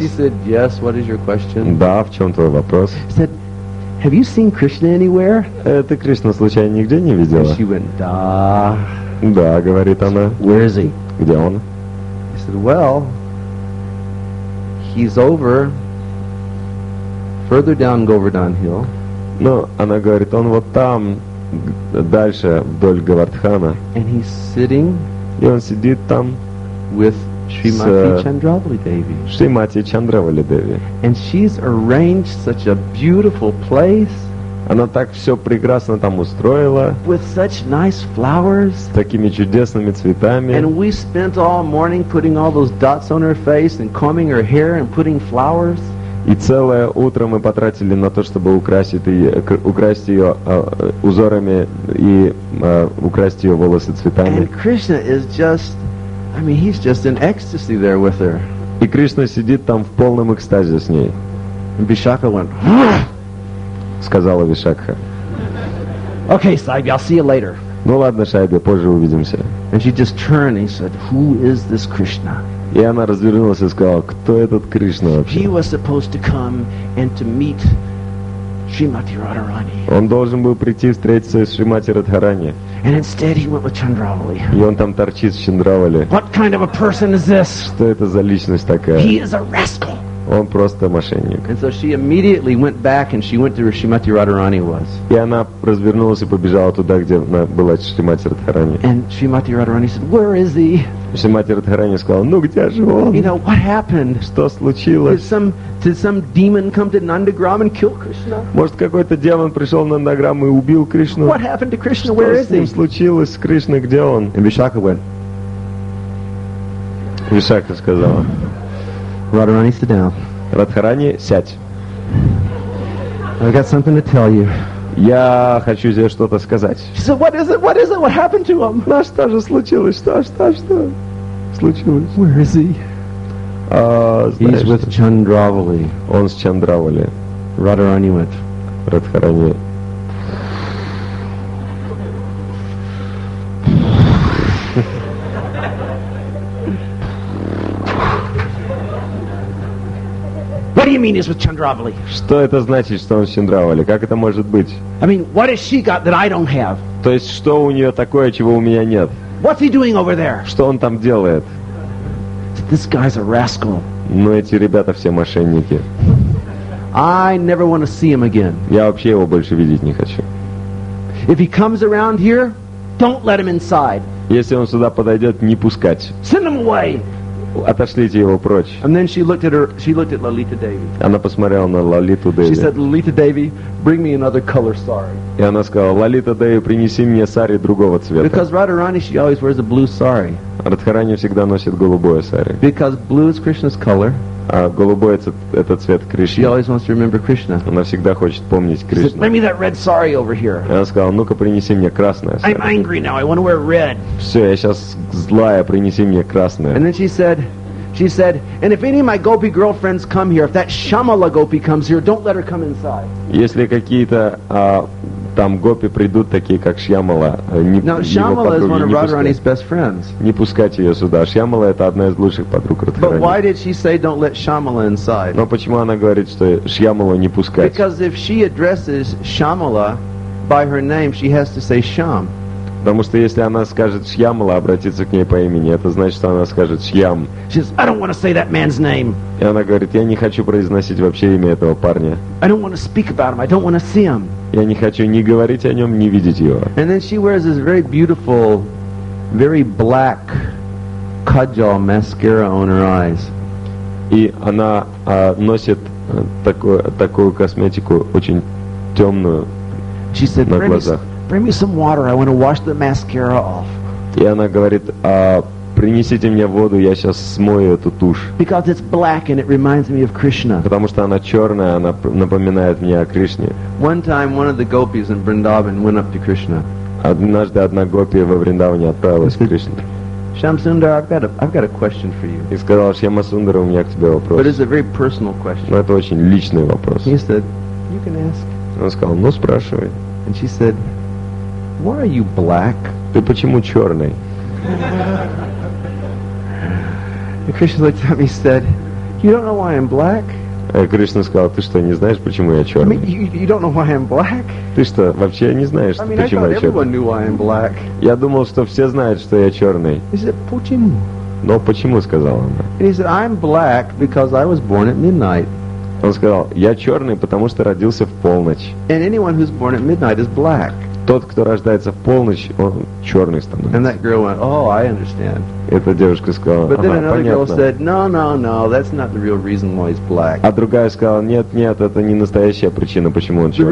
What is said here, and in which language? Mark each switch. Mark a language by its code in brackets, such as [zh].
[en] She said, yes, what is your question? [ru] Да, в чем твой вопрос? [en] She said, have you seen Krishna anywhere? [ru] Ты Кришну случайно нигде не видела? [en] She went, [ru] da. Да, говорит она. [en] Where is he? [ru] Где он? [en] I said, well, he's over. Further down Govardhan Hill. [ru] Ну, она говорит, он вот там, дальше вдоль Говардхана. [en] And he's sitting. [ru] И он сидит там [en] with Srimati Chandravali Devi. Srimati Chandravali Devi. And she's arranged such a beautiful place. [ru] Она так все прекрасно там устроила. [en] With such nice flowers. [ru] Такими чудесными цветами. [en] And we spent all morning putting all those dots on her face and combing her hair and putting flowers. [ru] И целое утро мы потратили на то, чтобы украсть ее узорами и украсть ее волосы цветами. [en] And Krishna is just, I mean, he's just in ecstasy there with her. [ru] И Кришна сидит там в полном экстазе с ней. [en] And Vishakha went, [ru] сказала Вишакха. [en] Okay, Saibya, I'll see you later. [ru] Ну ладно, Шайбе, позже увидимся. [en] And she just turned and said, who is this Krishna? [ru] И она развернулась и сказала, кто этот Кришна вообще? [en] He was supposed to come and to meet Srimati Radharani. [ru] Он должен был прийти встретиться с Шримати Радхарани. [en] And instead he went with Chandravali. [ru] И он там торчит с Чандравали. [en] What kind of a person is this? [ru] Что это за личность такая? [en] He is a rascal. [ru] Он просто мошенник. [en] And so she immediately went back and she went to where Srimati Radharani was. [ru] И она развернулась и побежала туда, где была Шримати Радхарани. [en] And Srimati Radharani said, where is he? [ru] Шримати Радхарани сказала, ну где же он? [en] You know, what happened? [ru] Что случилось? [en] Did some demon come to Nandagram and kill Krishna? [ru] Может, какой-то демон пришел на Нандаграм и убил Кришну? [en] What happened to Krishna? Where is he? [ru] Что с ним случилось с Кришной? Где он? [en] And Vishakha went. [ru] Vishakha сказала. [en] Radharani, sit down. [ru] Radharani, сядь. [en] I got something to tell you. [ru] Я хочу тебе что-то сказать. [en] She said, what is it? What is it? What happened to him? [ru] Ну, что же случилось? Что? Случилось. [en] Where is he? He's with Chandravali. [ru] Он с Чандравали. [en] Radharani went. Radharani. What do you mean he's with Chandravali? [ru] Что это значит, что он с Чандравали? Как это может быть? [en] I mean, what has she got that I don't have? [ru] То есть, что у нее такое, чего у меня нет? [en] What's he doing over there? [ru] Что он там делает? [en] This guy's a rascal. [ru] Но эти ребята все мошенники. [en] I never want to see him again. [ru] Я вообще его больше видеть не хочу. [en] If he comes around here, don't let him inside. [ru] Если он сюда подойдет, не пускать. [en] Send him away. [ru] Отошлите его прочь. [en] And then she looked at Lalita Devi. [ru] Она посмотрела на Лолиту Деви. [en] She said, Lalita Devi, bring me another color sari. [ru] И она сказала: Лолита Деви, принеси мне сари другого цвета. [en] Because Radharani, she always wears a blue sari. [ru] Радхарани всегда носит голубое сари. [en] Because blue is Krishna's color. [ru] А голубой это цвет Кришны. [en] She always wants to remember Krishna. [ru] Она всегда хочет помнить Кришну. [en] She said, bring me that red sari over here. [ru] И она сказала: ну-ка принеси мне красное сари. [en] I'm angry now. I want to wear red. [ru] Все, я сейчас злая, принеси мне красное. [en] And then she said, and if any of my gopi girlfriends come here, if that Shamala gopi comes here, don't let her come inside. [ru] Если какие-то там гопи придут, такие как Шьямала, не, [en] now, Shyamala [ru] подруги, [en] is one [ru] не [en] of Radharani's best friends. [ru] Не пускать ее сюда. Шьямала это одна из лучших подруг Радхарани. [en] But why did she say don't let Shyamala inside? [ru] Но почему она говорит, что Шьямалу не пускать? [en] Because if she addresses Shyamala by her name, she has to say Sham. [ru] Потому что если она скажет Шьямала, обратиться к ней по имени, это значит, что она скажет Шьям. [en] She says, I don't want to say that man's name. [ru] И она говорит, я не хочу произносить вообще имя этого парня. [en] I don't want to speak about him. I don't want to see him. [ru] Я не хочу ни говорить о нем, ни видеть его. [en] And then she wears this very beautiful, very black kajal mascara on her eyes. [ru] И она носит такую косметику очень темную [en] she said, [ru] на глазах. [en] Bring me some water. I want to wash the mascara off. [ru] И она говорит, принесите мне воду, я сейчас смою эту тушь. [en] Because it's black and it reminds me of Krishna. [ru] Потому что она черная, она напоминает мне о Кришне. [en] One time, one of the gopis in Vrindavan went up to Krishna. [ru] Однажды одна гопи во Вриндаване отправилась к Кришне. [en] Shyamasundara, I've got a question for you. [ru] И сказала, Shyamasundara, у меня к тебе вопрос. [en] But it's a very personal question. [ru] Но это очень личный вопрос. [en] He said, you can ask. [ru] Он сказал, ну спрашивай. [en] And she said, why are you black? [ru] Ты почему черный? [en] And Krishna looked at me and said, you don't know why I'm black? [ru] Кришна сказал, ты что, не знаешь, почему я черный? [en] I mean, you don't know why I'm black? [ru] Ты что, вообще не знаешь, [en] I mean, [ru] почему я черный? [en] Everyone knew why I'm black. [ru] Я думал, что все знают, что я черный. [en] He said, [ru] почему? Но почему, сказала она. [en] And he said, I'm black because I was born at midnight. [ru] Он сказал, я черный, потому что родился в полночь. [en] And anyone who's born at midnight is black. [ru] Тот, кто рождается в полночь, он черный становится. [en] And that girl went, oh, I understand. [ru] Эта девушка сказала, [en] but then another [ru] понятно. [en] Girl said, no, that's not the real reason why he's black. [ru] А другая сказала, нет, это не настоящая причина, почему он черный.